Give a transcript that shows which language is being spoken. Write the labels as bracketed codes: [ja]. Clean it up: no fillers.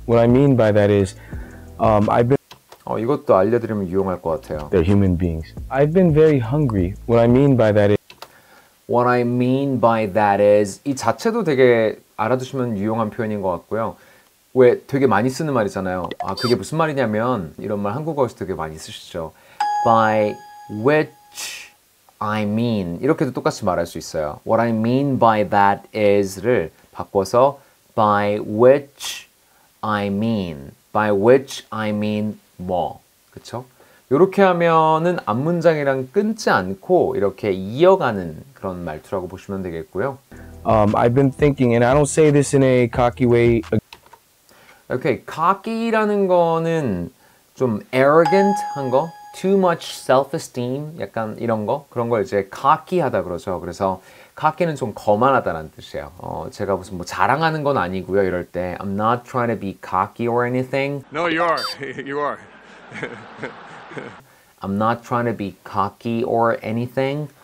[en] What I mean by that is I've been [ko] 이것도 알려 드리면 유용할 것 같아요. [en] They're human beings. I've been very hungry. What I mean by that is What I mean by that is [ko] 이 자체도 되게 알아두시면 유용한 표현인 것 같고요. 왜 되게 많이 쓰는 말이잖아요. 아, 그게 무슨 말이냐면 이런 말 한국어에서 되게 많이 쓰시죠. [en] By which I mean [ko] 이렇게도 똑같이 말할 수 있어요. [en] What I mean by that is [ko] 를 바꿔서 [en] by which I mean [ko] by which I mean 뭐 그렇죠? 이렇게 하면은 앞 문장이랑 끊지 않고 이렇게 이어가는 그런 말투라고 보시면 되겠고요. [en] I've been thinking and I don't say this in a cocky way. [ko] Okay, cocky라는 거는 좀 arrogant 한 거. [en] Too much self-esteem, [ko] 약간 이런 거? 그런 걸 이제 cocky하다 그러죠. 그래서 cocky는 좀 거만하다라는 뜻이에요. 제가 무슨 뭐 자랑하는 건 아니고요, 이럴 때. [en] I'm not trying to be cocky or anything. No, you are. You are. I'm not trying to be cocky or anything.